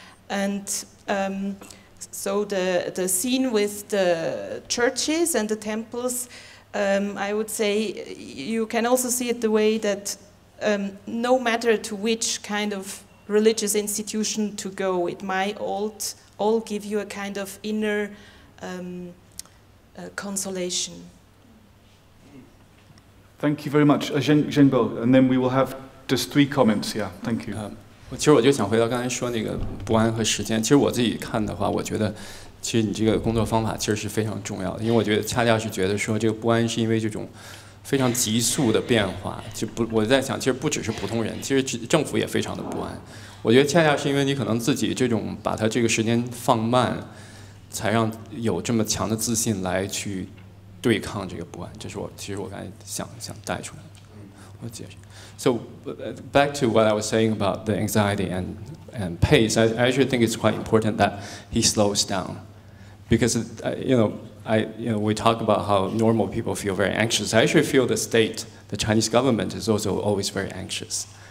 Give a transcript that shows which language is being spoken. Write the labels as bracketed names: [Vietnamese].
[English] And so the scene with the churches and the temples, I would say you can also see it the way that no matter to which kind of religious institution to go, it might all give you a kind of inner consolation. Thank you very much. Zhengbo, and then we will have just three comments. Yeah, thank you. [Chinese] 其实我就想回到刚才说那个不安和时间，其实我自己看的话，我觉得其实你这个工作方法其实是非常重要的，因为我觉得恰恰是觉得说这个不安是因为这种非常急速的变化，就不我在想其实不只是普通人，其实政府也非常的不安，我觉得恰恰是因为你可能自己这种把它这个时间放慢，才让有这么强的自信来去对抗这个不安，这是我其实我刚才想带出来的，我解释。 [English] So back to what I was saying about the anxiety and pace, I actually think it's quite important that he slows down. Because, we talk about how normal people feel very anxious. I actually feel the state, the Chinese government is also always very anxious.